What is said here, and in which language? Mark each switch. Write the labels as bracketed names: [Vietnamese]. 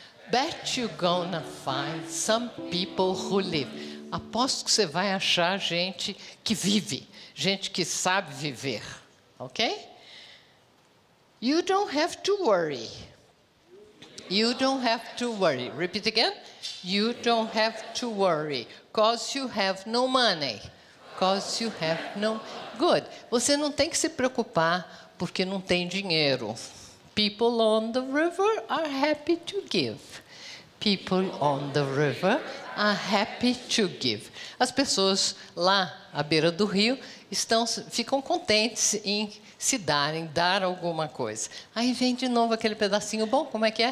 [English] Bet you gonna find some people who live. [Portuguese] Aposto que você vai achar gente que vive. Gente que sabe viver, ok? [English] You don't have to worry. You don't have to worry. Repeat again. You don't have to worry. Cause you have no money. Cause you have no... Good. [Portuguese] Você não tem que se preocupar porque não tem dinheiro. [English] People on the river are happy to give. People on the river are happy to give. [Portuguese] As pessoas lá à beira do rio ficam contentes em se dar, em dar alguma coisa. Aí vem de novo aquele pedacinho bom, como é que é?